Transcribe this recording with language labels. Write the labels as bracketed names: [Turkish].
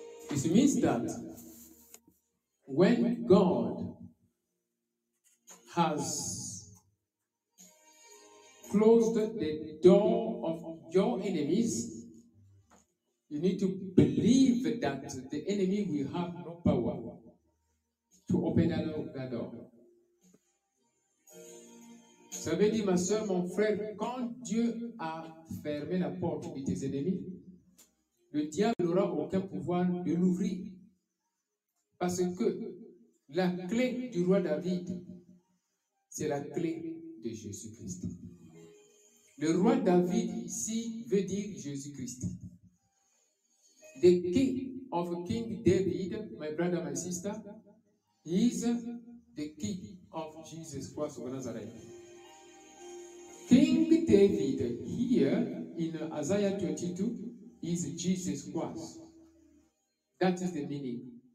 [English] It means that when God has closed the door of your enemies, you need to believe that the enemy will have no power to open that door. [French] Ça veut dire, ma soeur, mon frère, quand Dieu a fermé la porte de tes ennemis, le diable n'aura aucun pouvoir de l'ouvrir. Parce que la clé du roi David, c'est la clé de Jésus-Christ. Le roi David ici veut dire Jésus-Christ. [English] The key of King David, my brother, my sister, is the key of Jesus Christ of Nazareth. King David here in Isaiah 22 is Jesus Christ. That is the meaning.